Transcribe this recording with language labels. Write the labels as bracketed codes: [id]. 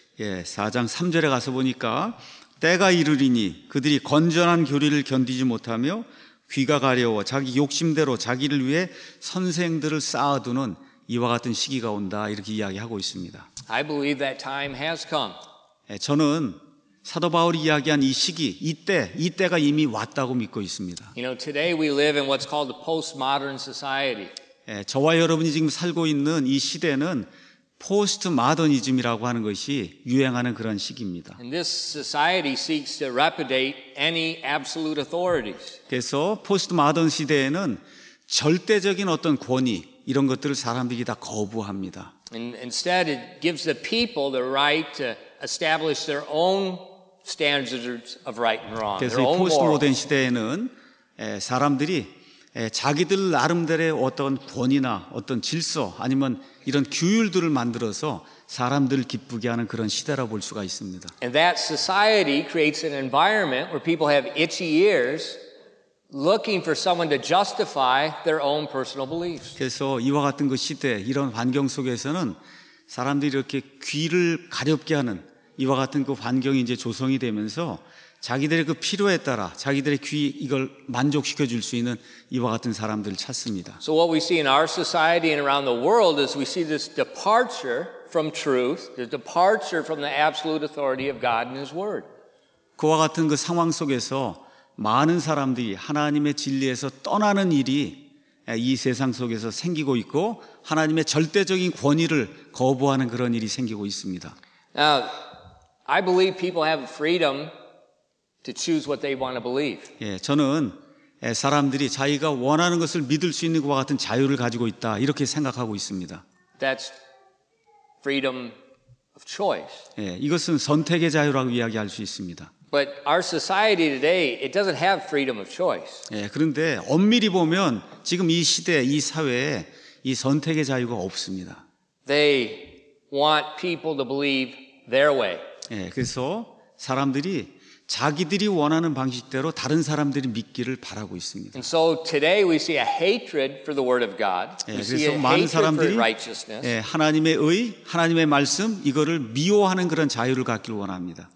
[ko] 예, 4장 3절에 가서 보니까 때가 이르리니 그들이 건전한 교리를 견디지 못하며 귀가 가려워 자기 욕심대로 자기를 위해 선생들을 쌓아두는 이와 같은 시기가 온다 이렇게 이야기하고 있습니다. [en] I believe that time has come. [ko] 예, 저는 사도 바울이 이야기한 이 시기, 이때가 이미 왔다고 믿고 있습니다. [en] You know, today we live in what's called the postmodern society. [ko] 예, 저와 여러분이 지금 살고 있는 이 시대는 포스트 마더니즘이라고 하는 것이 유행하는 그런 시기입니다. [en] And this society seeks to repudiate any absolute authorities. [ko] 그래서 포스트 마더니 시대에는 절대적인 어떤 권위 이런 것들을 사람들이 다 거부합니다. [en] And instead it gives the people the right to establish their own standards of right and wrong. [ko] 그래서 포스트 모던 시대에는 사람들이 자기들 나름대로의 어떤 권위나 어떤 질서 아니면 이런 규율들을 만들어서 사람들을 기쁘게 하는 그런 시대라고 볼 수가 있습니다. [en] And that society creates an environment where people have itchy ears looking for someone to justify their own personal beliefs. [ko] 그래서 이와 같은 그 시대 이런 환경 속에서는 사람들이 이렇게 귀를 가렵게 하는 이와 같은 그 환경이 이제 조성이 되면서 자기들의 그 필요에 따라 자기들의 귀 이걸 만족시켜 줄 수 있는 이와 같은 사람들을 찾습니다. [en] So what we see in our society and around the world is we see this departure from truth, the departure from the absolute authority of God and His Word. [ko] 그와 같은 그 상황 속에서 많은 사람들이 하나님의 진리에서 떠나는 일이 이 세상 속에서 생기고 있고 하나님의 절대적인 권위를 거부하는 그런 일이 생기고 있습니다. [en] Now, I believe people have freedom to choose what they want to believe. [ko] 예, 저는 사람들이 자기가 원하는 것을 믿을 수 있는 것과 같은 자유를 가지고 있다 이렇게 생각하고 있습니다. [en] That's freedom of choice. [ko] 예, 이것은 선택의 자유라고 이야기할 수 있습니다. [en] But our society today, it doesn't have freedom of choice. [ko] 예, 그런데 엄밀히 보면 지금 이 시대, 이 사회에 이 선택의 자유가 없습니다. [en] They want people to believe their way. [ko] 예, 그래서 사람들이 자기들이 원하는 방식대로 다른 사람들이 믿기를 바라고 있습니다. [en] And so today we see a hatred for the word of God. [ko] 예, 그래서 많은 사람들이 하나님의 의, 하나님의 말씀 이거를 미워하는 그런 자유를 갖기를 원합니다.